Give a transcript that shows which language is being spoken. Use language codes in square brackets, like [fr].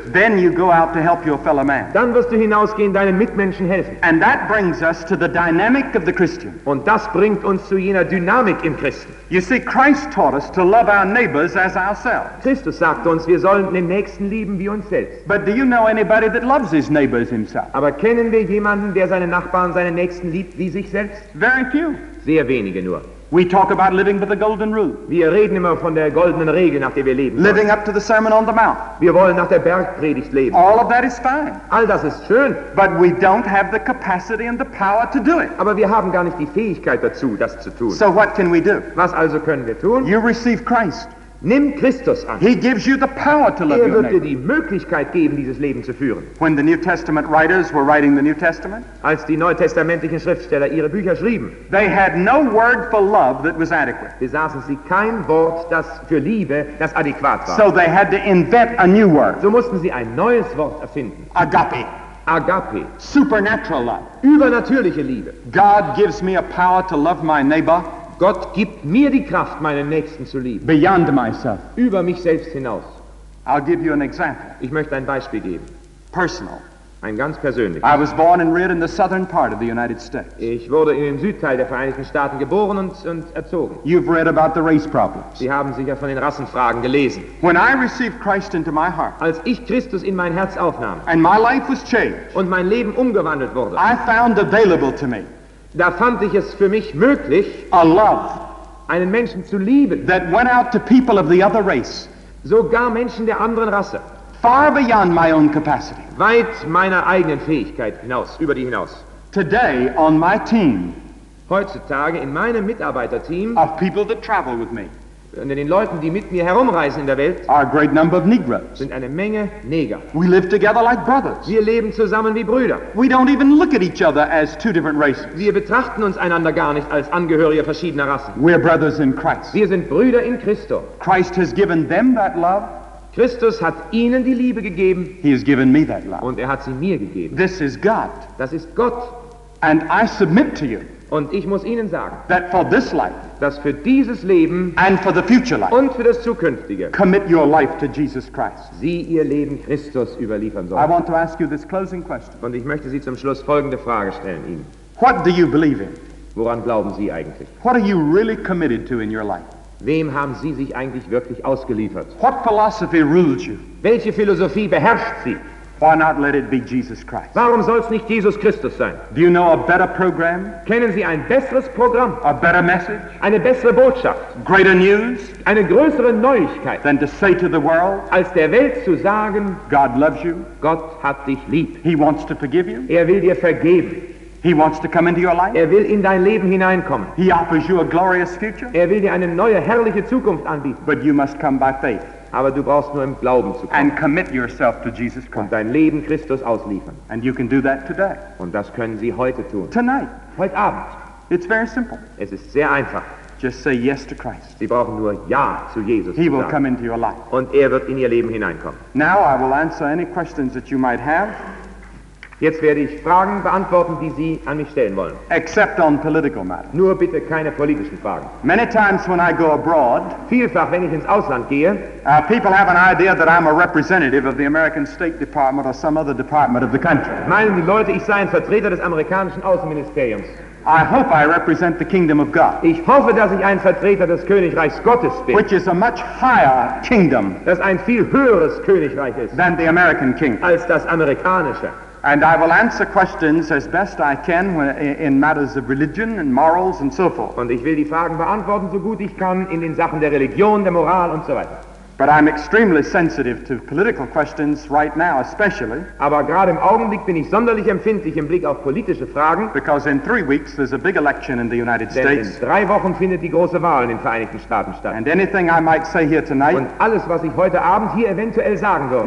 [en] Then you go out to help your fellow man. [de] Dann wirst du hinausgehen, deinen Mitmenschen helfen. [en] And that brings us to the dynamic of the Christian. [de] Und das bringt uns zu jener Dynamik im Christen. [en] You see, Christ taught us to love our neighbors as ourselves. [de] Christus sagt uns, wir sollen den Nächsten lieben wie uns selbst. [en] But do you know anybody that loves his neighbors himself? [de] Aber kennen wir jemanden, der seine Nachbarn, seine Nächsten liebt wie sich selbst? [en] Very few. [de] Sehr wenige nur. [en] We talk about living by the golden rule. [de] Wir reden immer von der goldenen Regel, nach der wir leben. [en] Living up to the Sermon on the Mount. [de] Wir wollen nach der Bergpredigt leben. [en] All of that is fine. [de] All das ist schön. [en] But we don't have the capacity and the power to do it. [de] Aber wir haben gar nicht die Fähigkeit dazu, das zu tun. [en] So what can we do? [de] Was also können wir tun? [en] You receive Christ. [de] Nimm Christus an. [en] He gives you the power to love your neighbor. [de] Er wird dir die Möglichkeit geben, dieses Leben zu führen. [en] When the New Testament writers were writing the New Testament, [de] als die neutestamentlichen Schriftsteller ihre Bücher schrieben, [en] they had no word for love that was adequate. [de] Besaßen sie kein Wort, das für Liebe, das adäquat war. [en] So they had to invent a new word. [de] So mussten sie ein neues Wort erfinden. [en] Agape. [de] Agape. [en] Supernatural love. [de] Übernatürliche Liebe. [en] God gives me a power to love my neighbor. [de] Gott gibt mir die Kraft, meinen Nächsten zu lieben. [en] Beyond myself. [de] Über mich selbst hinaus. [en] I'll give you an example. [de] Ich möchte ein Beispiel geben. [en] Personal. [de] Ein ganz persönliches. [en] I was born and reared in the southern part of the United States. [de] Ich wurde in dem Südteil der Vereinigten Staaten geboren und erzogen. [en] You've read about the race problems. [de] Sie haben sicher von den Rassenfragen gelesen. [en] When I received Christ into my heart, [de] als ich Christus in mein Herz aufnahm, [en] and my life was changed, [de] und mein Leben umgewandelt wurde, [en] I found available to me, [de] da fand ich es für mich möglich, [en] a love, [de] einen Menschen zu lieben, [en] that went out to people of the other race, [de] sogar Menschen der anderen Rasse, [en] far beyond my own capacity, [de] weit meiner eigenen Fähigkeit hinaus, über die hinaus. [en] Today on my team, [de] heutzutage in meinem Mitarbeiterteam, [en] of people that travel with me, [de] unter den Leuten, die mit mir herumreisen in der Welt, [en] are a great number of Negroes, [de] sind eine Menge Neger. [en] We live together like brothers. [de] Wir leben zusammen wie Brüder. [en] We don't even look at each other as two different races. [de] Wir betrachten uns einander gar nicht als Angehörige verschiedener Rassen. [en] We're brothers in Christ. [de] Wir sind Brüder in Christo. [en] Christ has given them that love. [de] Christus hat ihnen die Liebe gegeben. [en] He has given me that love. [de] Und er hat sie mir gegeben. [en] This is God. [de] Das ist Gott. [en] And I submit to you, [de] und ich muss Ihnen sagen, [en] that for this life, [de] dass für dieses Leben, [en] and for the future life, [de] und für das zukünftige, [en] commit your life to Jesus Christ. [de] Sie ihr Leben Christus überliefern sollen. [en] I want to ask you this closing question. [de] Und ich möchte Sie zum Schluss folgende Frage stellen Ihnen. [en] What do you believe in? [de] Woran glauben Sie eigentlich? [en] What are you really committed to in your life? [de] Wem haben Sie sich eigentlich wirklich ausgeliefert? [en] What philosophy rules you? [de] Welche Philosophie beherrscht Sie? [en] Why not let it be Jesus Christ? [de] Warum soll es nicht Jesus Christus sein? [en] Do you know a better program? [de] Kennen Sie ein besseres Programm? [en] A better message? [de] Eine bessere Botschaft? [en] Greater news? [de] Eine größere Neuigkeit? [en] Than to say to the world? [de] Als der Welt zu sagen, [en] God loves you. [de] Gott hat dich lieb. [en] He wants to forgive you. [de] Er will dir vergeben. [en] He wants to come into your life. [de] Er will in dein Leben hineinkommen. [en] He offers you a glorious future. [de] Er will dir eine neue herrliche Zukunft anbieten. [en] But you must come by faith. [de] Aber du brauchst nur im Glauben zu kommen. [en] And commit yourself to Jesus Christ. [de] Und dein Leben Christus ausliefern. [en] And you can do that today. [de] Und das können Sie heute tun. [en] Tonight. [de] Heute Abend. [en] It's very simple. [de] Es ist sehr einfach. [en] Just say yes to Christ. [de] Sie brauchen nur Ja zu Jesus. [en] He will come into your life. [de] Und er wird in ihr Leben hineinkommen. [en] Now I will answer any questions that you might have. [de] Jetzt werde ich Fragen beantworten, die Sie an mich stellen wollen. [en] Except on political matters. [de] Nur bitte keine politischen Fragen. [en] Many times when I go abroad, [de] vielfach, wenn ich ins Ausland gehe, [en] people have an idea that I'm a representative of the American State Department or some other department of the country. [de] Meinen die Leute, ich sei ein Vertreter des amerikanischen Außenministeriums. [en] I hope I represent the kingdom of God. [de] Ich hoffe, dass ich ein Vertreter des Königreichs Gottes bin. [en] Which is a much higher kingdom. [de] Das ein viel höheres Königreich ist. [en] Than the American kingdom. [de] Als das amerikanische. [en] And I will answer questions as best I can in matters of religion and morals and so forth. [de] Und ich will die Fragen beantworten so gut ich kann in den Sachen der Religion, der Moral und so weiter. [en] But I'm extremely sensitive to political questions right now, especially. [de] Aber gerade im Augenblick bin ich sonderlich empfindlich im Blick auf politische Fragen. [en] Because in 3 weeks there's a big election in the United States. [de] Denn in 3 Wochen findet die große Wahl in den Vereinigten Staaten statt. [en] And anything I might say here tonight. [de] Und alles, was ich heute Abend hier eventuell sagen würde.